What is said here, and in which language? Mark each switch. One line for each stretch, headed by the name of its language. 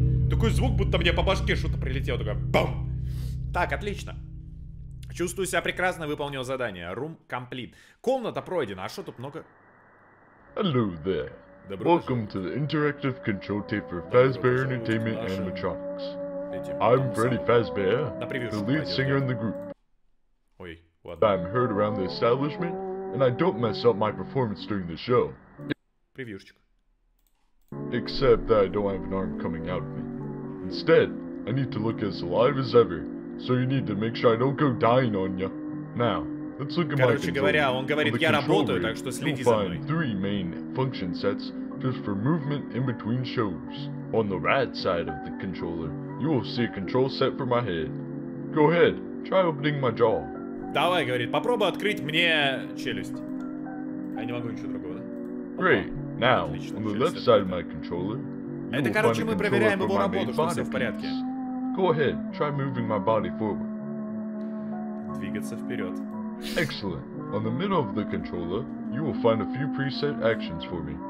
Russian: Такой звук, будто мне по башке что-то прилетело, такое бам! Так, отлично. Чувствую себя прекрасно, выполнил задание.
English: Room complete.
Russian: Комната пройдена, а что тут много?
English: Hello there.
Russian: Добро welcome пожалуйста.
English: To the interactive control tape for Fazbear Entertainment and Animatronics. I'm Freddy Fazbear, the lead singer in the group.
Russian: Ой, ладно.
English: I'm heard around the establishment, and I don't mess up my performance during the show.
Russian: Превьюшечка.
English: Except that I don't have an arm coming out of me. Instead, I need to look as alive as ever, so you need to make sure I don't go dying on ya. Now, let's look at
Russian: короче
English: my
Russian: говоря, он говорит, я работаю, так что следи за мной.
English: Three main function sets just for movement in between shows. On the right side of the controller, you will see a control set for my head. Go ahead, try opening my jaw.
Russian: Давай, говорит, попробуй открыть мне челюсть. Я не могу ничего другого, да?
English: Great. Now, отлично, on the left side of my controller,
Russian: Это, короче, мы проверяем его работу, что все в порядке.
English: Go ahead, try moving my body forward.
Russian: Двигаться вперед.
English: Excellent. On the middle of the controller, you will find a few preset actions for me.